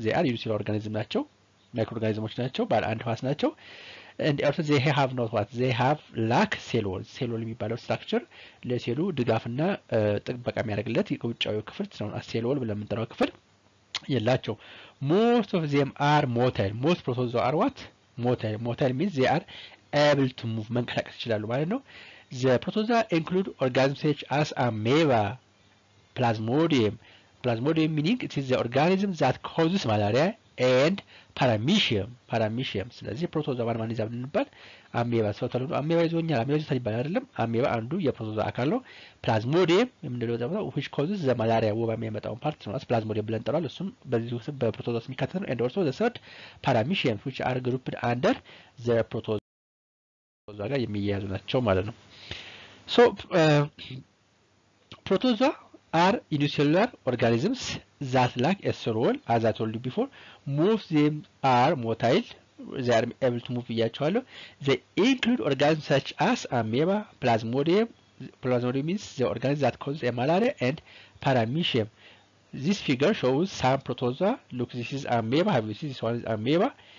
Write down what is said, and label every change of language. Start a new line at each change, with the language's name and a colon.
English: they are unicellular organisms
Amharic: ናቸው፣ ማይክሮኦርጋኒዝሞች ናቸው፣ ባለ አንድ ህዋስ ናቸው።
English: And also they have not what? They have lack cell wall.
Amharic: Cell wall የሚባለው structure ለሴሉ ድጋፍና ጥበቃ የሚያደርግለት የውጫዊ ክፍል ነው። ሴል ዎል ብለን የምንጠራው ክፍል የላቸው።
English: Most of them are motile. Most protozoa are what? Motile. Motile means they are able to move,
Amharic: መንቀሳቀስ ይችላሉ ማለት ነው።
English: The protozoa include organisms such as amoeba, plasmodium. Plasmodium meaning it is the organism that causes malaria and paramecium.
Amharic: ስለዚህ ፕሮቶዞ ማለት ማን ይዛብ እንባል? አሜባ ሰው ተለምዶ አሜባ ይዞኛል። አሜባ ይዞታል ይባል አይደለም። አሜባ አንዱ የፕሮቶዞ አካል ነው። ፕላዝሞዲየም የምንለው ደግሞ
English: which causes the malaria
Amharic: ወባ የሚያመጣውን ፓርት ነው። ፕላዝሞዲየም ብለን ጠራል። እሱም በዚህ ውስጥ በፕሮቶዞ ውስጥ የሚካተት ነው።
English: and also the third paramecium which are grouped under the protozoa
Amharic: ጋር የሚያያዙ ናቸው ማለት ነው።
English: so protozoa are unicellular organisms that lack a cell wall. As I told you before, most of them are motile. They are able to move. They include organisms such as amoeba, plasmodium. Plasmodium means the organism that causes malaria, and paramecium. This figure shows some protozoa. Look, this is amoeba. Have you seen this one is amoeba?